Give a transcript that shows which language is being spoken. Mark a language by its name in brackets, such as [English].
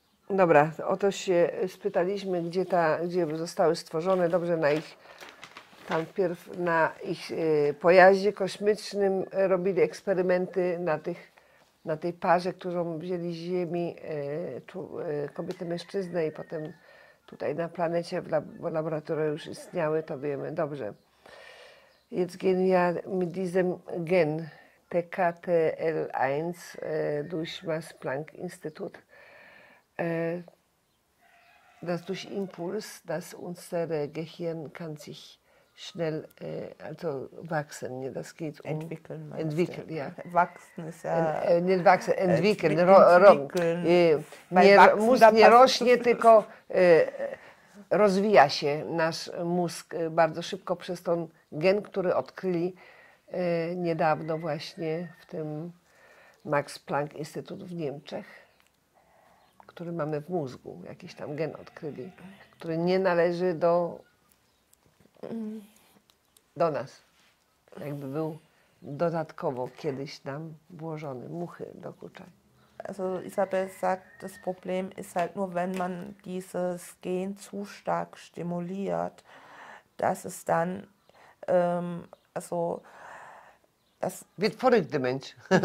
[Polish] Dobra, o to się spytaliśmy, gdzie zostały stworzone, dobrze, na ich tam wpierw na ich pojazdzie kosmicznym robili eksperymenty na tej parze, którą wzięli z Ziemi kobietę, mężczyznę i potem tutaj na planecie w laboratorium już istniały, to wiemy, dobrze. [German] Jetzt gehen wir mit diesem Gen TKTL1 durch Max Planck Institut. Das durch Impuls, dass unser Gehirn kann sich schnell also wachsen, ne? Das geht um entwickeln, entwickeln, ja. Wachsen ist ja nicht wachsen, entwickeln, entwickeln. [Polish] Nie, mózg nie rośnie, tylko rozwija się nasz mózg bardzo szybko przez ten gen, który odkryli niedawno właśnie w tym Max Planck Instytut w Niemczech. Który mamy w mózgu, jakiś tam gen odkryli, który nie należy do nas. Jakby był dodatkowo kiedyś nam włożony, muchy dokuczaj. [German] Also Isabel sagt, das Problem ist halt nur, wenn man dieses Gen zu stark stimuliert, dass es dann, also das wird verrückt, der Mensch.